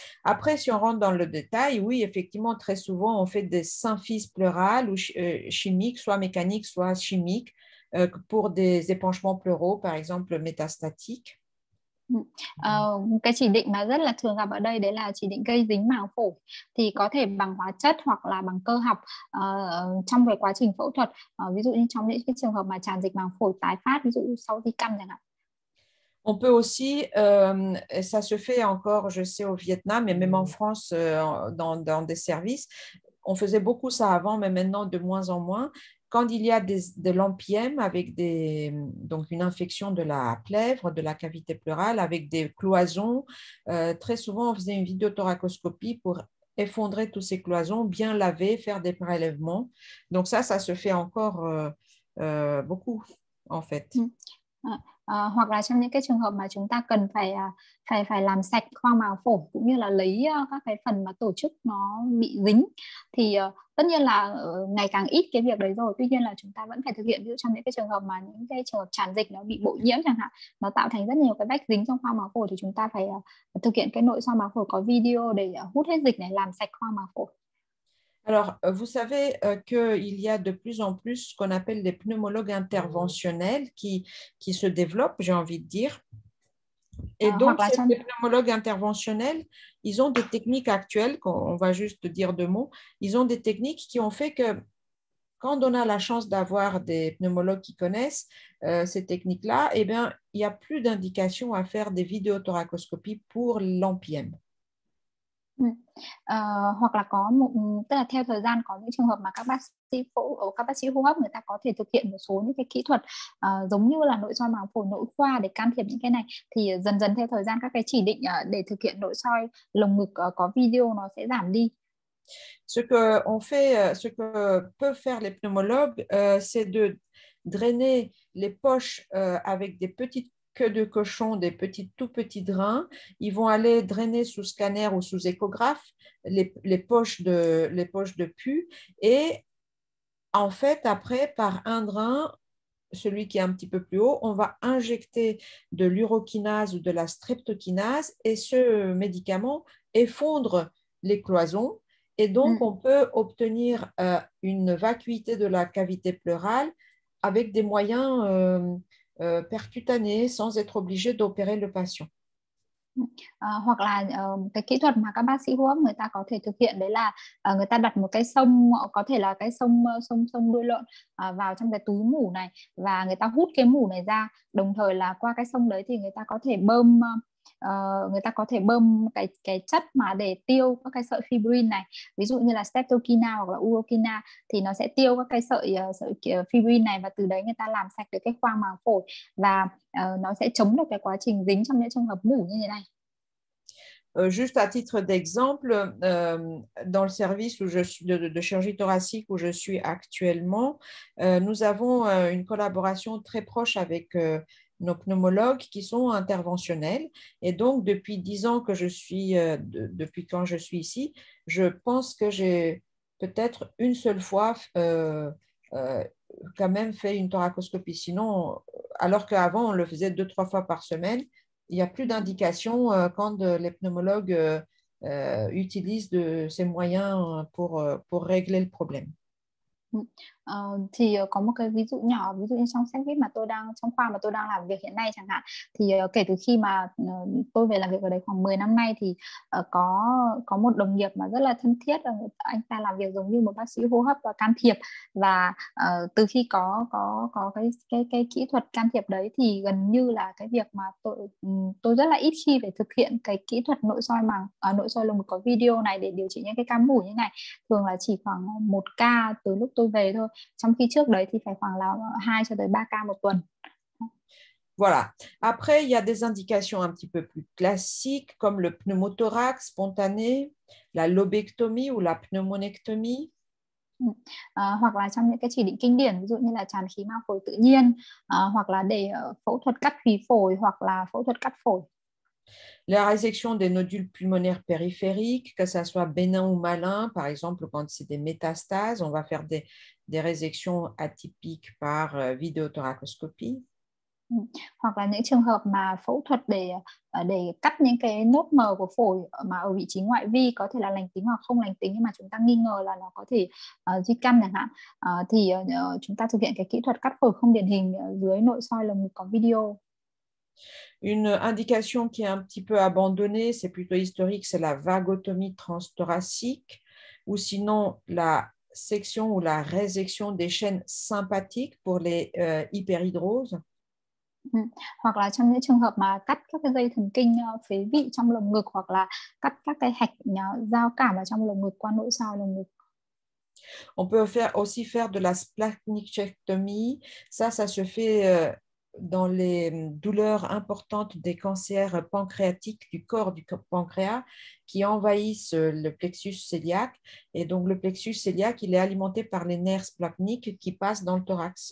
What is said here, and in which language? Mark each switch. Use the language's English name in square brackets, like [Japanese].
[French] Après, si on rentre dans le détail, oui, effectivement, très souvent, on fait des symphyses pleurales ou ch chimiques, soit mécaniques, soit chimiques, pour des épanchements pleuraux, par exemple métastatiques. [Vietnamese] Cái chỉ định mà rất là thường gặp ở đây đấy là chỉ định gây dính màng phổi, thì có thể bằng hóa chất hoặc là bằng cơ học trong cái quá trình phẫu thuật, ví dụ như trong những cái trường hợp mà tràn dịch màng phổi tái phát, ví dụ sau di căn chẳng hạn. [French] On peut aussi, et ça se fait encore, je sais, au Vietnam et même en France, dans des services, on faisait beaucoup ça avant, mais maintenant de moins en moins. Quand il y a de l'empyème avec donc une infection de la plèvre, de la cavité pleurale, avec des cloisons, très souvent on faisait une vidéothoracoscopie pour effondrer tous ces cloisons, bien laver, faire des prélèvements. Donc ça se fait encore beaucoup, en fait. [Vietnamese] Hoặc là trong những cái trường hợp mà chúng ta cần phải phải phải làm sạch khoang màng phổi cũng như là lấy các cái phần mà tổ chức nó bị dính, thì tất nhiên là ngày càng ít cái việc đấy rồi, tuy nhiên là chúng ta vẫn phải thực hiện, ví dụ trong những cái trường hợp mà những cái trường hợp tràn dịch nó bị bội nhiễm chẳng hạn, nó tạo thành rất nhiều cái vách dính trong khoang màng phổi, thì chúng ta phải thực hiện cái nội soi màng phổi có video để hút hết dịch này, làm sạch khoang màng phổi. [French] Alors, vous savez qu'il y a de plus en plus ce qu'on appelle les pneumologues interventionnels qui se développent, j'ai envie de dire. Et [Vietnamese] Hoặc [French] donc, [Vietnamese] là trong [French] ces pneumologues interventionnels, ils ont des techniques actuelles, qu'on va juste dire deux mots, ils ont des techniques qui ont fait que quand on a la chance d'avoir des pneumologues qui connaissent ces techniques-là, eh bien, il n'y a plus d'indication à faire des vidéothoracoscopies pour l'empyème. [Vietnamese] Hoặc là có một, tức là theo thời gian có những trường hợp mà các bác sĩ phẫu, các bác sĩ hô hấp người ta có thể thực hiện một số những cái kỹ thuật giống như là nội soi màng phổi nội khoa để can thiệp những cái này, thì dần dần theo thời gian các cái chỉ định để thực hiện nội soi lồng ngực có video nó sẽ giảm đi. [French] Ce que peuvent faire les pneumologues, c'est de drainer les poches avec des petites queues de cochon, des petits tout petits drains. Ils vont aller drainer sous scanner ou sous échographe les poches de pus. Et en fait, après, par un drain, celui qui est un petit peu plus haut, on va injecter de l'urokinase ou de la streptokinase et ce médicament effondre les cloisons. Et donc, on peut obtenir une vacuité de la cavité pleurale avec des moyens percutanés sans être obligé d'opérer le patient. [Vietnamese] Hoặc là cái kỹ thuật mà các bác sĩ hô hấp người ta có thể thực hiện đấy là người ta đặt một cái xông, có thể là cái xông xông xông đuôi lợn vào trong cái túi mủ này, và người ta hút cái mủ này ra, đồng thời là qua cái xông đấy thì người ta có thể bơm người ta có thể bơm cái chất mà để tiêu các cái sợi fibrin này, ví dụ như là streptokinase hoặc là urokinase, thì nó sẽ tiêu các cái sợi sợi fibrin này, và từ đấy người ta làm sạch được cái khoang màng phổi, và nó sẽ chống được cái quá trình dính trong những trường hợp mủ như thế này. [French] Juste à titre d'exemple, dans le service où je suis de chirurgie thoracique où je suis actuellement, nous avons une collaboration très proche avec nos pneumologues qui sont interventionnels. Et donc, depuis 10 ans que je suis, depuis quand je suis ici, je pense que j'ai peut-être une seule fois quand même fait une thoracoscopie. Sinon, alors qu'avant, on le faisait 2, 3 fois par semaine. Il n'y a plus d'indication quand les pneumologues utilisent ces moyens pour régler le problème. [Vietnamese] Thì có một cái ví dụ nhỏ, ví dụ như trong xét mà tôi đang trong khoa mà tôi đang làm việc hiện nay chẳng hạn, thì kể từ khi mà tôi về làm việc ở đấy khoảng 10 năm nay, thì có một đồng nghiệp mà rất là thân thiết, anh ta làm việc giống như một bác sĩ hô hấp và can thiệp, và từ khi có cái kỹ thuật can thiệp đấy, thì gần như là cái việc mà tôi rất là ít khi phải thực hiện cái kỹ thuật nội soi màng, nội soi lồng ngực có video này để điều trị những cái ca mủ như này, thường là chỉ khoảng một ca từ lúc tôi về thôi, trong khi trước đấy thì phải khoảng là 2 cho tới 3 ca một tuần. [French] Voilà. Après, il y a des indications un petit peu plus classiques comme le pneumothorax spontané, la lobectomie ou la pneumonectomie. [Vietnamese] Hoặc là trong những cái chỉ định kinh điển, ví dụ như là tràn khí mang phổi tự nhiên, hoặc là để phẫu thuật cắt khí phổi, hoặc là phẫu thuật cắt phổi. [French] La résection des nodules pulmonaires périphériques, que ce soit bénin ou malin, par exemple, quand c'est des métastases, on va faire des résections atypiques par vidéothoracoscopie. [Vietnamese] Hoặc là những trường hợp mà phẫu thuật để cắt những cái nốt mờ của phổi mà ở vị trí ngoại vi, có thể là lành tính hoặc không lành tính, nhưng mà chúng ta nghi ngờ là nó có thể di căn chẳng hạn, thì chúng ta thực hiện cái kỹ thuật cắt phổi không điển hình dưới nội soi lồng ngực có video. [French] Une indication qui est un petit peu abandonnée, c'est plutôt historique, c'est la vagotomie transthoracique ou sinon la section ou la résection des chaînes sympathiques pour les hyperhidroses. [Vietnamese] Hoặc là trong những trường hợp mà cắt các cái dây thần kinh phế vị trong lồng ngực, hoặc là cắt các cái hạch giao cảm ở trong lồng ngực qua nội soi lồng ngực. [French] On peut aussi faire de la splanchnicectomie. Ça se fait dans les douleurs importantes des cancers pancréatiques du corps du pancréas qui envahissent le plexus cœliaque. Et donc le plexus cœliaque, il est alimenté par les nerfs splanchniques qui passent dans le thorax.